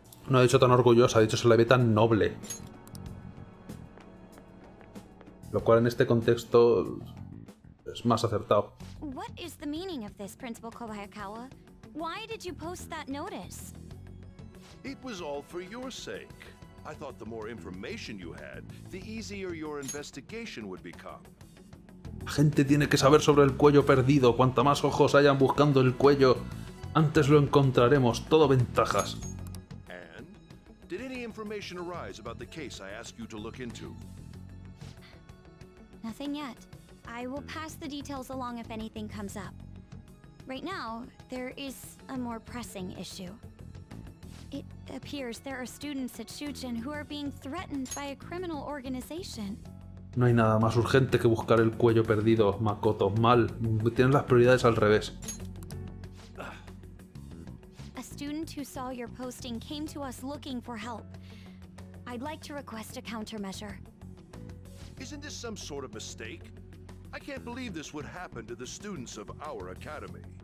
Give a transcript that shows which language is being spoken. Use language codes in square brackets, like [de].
[es] No ha dicho tan orgullosa, ha dicho se le ve tan noble. Lo cual en este contexto es más acertado. [en] What is the meaning of this, Principal Kobayakawa? Why did you post that notice? It was all for your sake. I thought the more information you had, the easier your investigation would become. [es] La gente tiene que saber sobre el cuello perdido. Cuanta más ojos hayan buscando el cuello, antes lo encontraremos. Todo ventajas. [en] And did any information arise about the case I asked you to look into? Nothing yet. I will pass the details along if anything comes up. Right now, there is a more pressing issue. It appears there are students at Shuchen who are being threatened by a criminal organization. [es] No hay nada más urgente que buscar el cuello perdido, Makoto. Mal. Tienes las prioridades al revés. [en] A student who saw your posting came to us looking for help. I'd like to request a countermeasure. Isn't this some sort of mistake? I can't believe this would happen to the students of our academy.